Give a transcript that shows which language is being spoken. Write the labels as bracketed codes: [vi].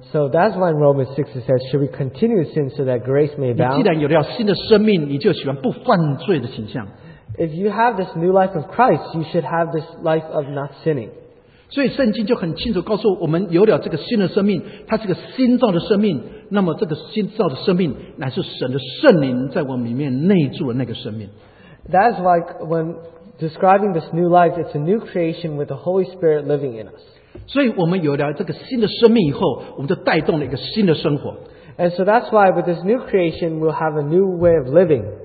[en] So that's why in Romans 6 it says, should we continue sin so that grace may abound? [zh] 你既然有了新的生命，你就喜欢不犯罪的倾向。 [en] If you have this new life of Christ, you should have this life of not sinning. [zh] 所以圣经就很清楚告诉我们，有了这个新的生命，它是个新造的生命，那么这个新造的生命乃是神的圣灵在我们里面内住的那个生命。 [en] That's why when describing this new life, it's a new creation with the Holy Spirit living in us. [zh] 所以我们有了这个新的生命以后，我们就带动了一个新的生活。 [en] And so that's why with this new creation, we'll have a new way of living.